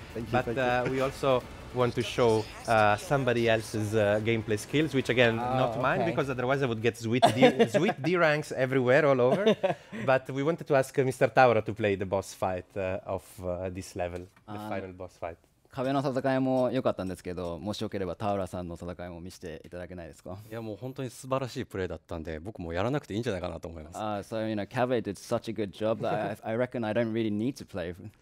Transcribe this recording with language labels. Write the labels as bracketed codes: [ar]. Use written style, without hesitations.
[en] Thank you. We also want to show somebody else's gameplay skills, which again, not mine, because otherwise I would get sweet D ranks everywhere, all over. But we wanted to ask Mr. Taura to play the boss fight of this level, the final boss fight. [ja] 壁の戦いも良かったんですけど、もしよければタウラさんの戦いも見せていただけないですか？いやもう本当に素晴らしいプレーだったんで、僕もやらなくていいんじゃないかなと思います。 [en] ああ、so you know, Cave did such a good job that I reckon I don't really need to play.